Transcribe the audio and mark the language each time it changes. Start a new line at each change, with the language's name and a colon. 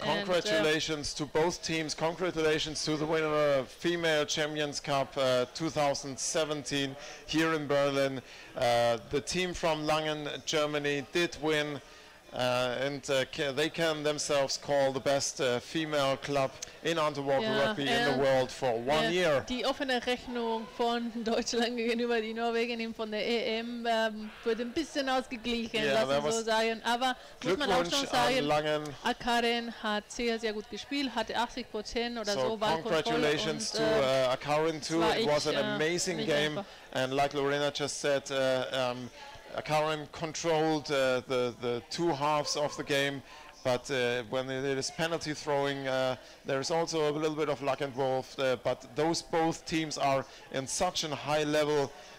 English: Congratulations to both teams. Congratulations to the winner of Female Champions Cup 2017 here in Berlin. The team from Langen, Germany, did win. They can themselves call the best female club in underwater rugby in the world for one year.
German: Die offene Rechnung von Deutschland gegenüber die Norwegen von der EM wird ein bisschen ausgeglichen, lassen so sagen. Aber muss man auch schon sagen, Langen. Akkaren hat sehr, sehr gut gespielt, hatte 80% oder so.
English: Congratulations to Akkaren too. It was an amazing game.
German: Einfach.
English: And like Lorena just said, Akkaren controlled the two halves of the game, but when it is penalty throwing, there is also a little bit of luck involved. But those both teams are in such a high level.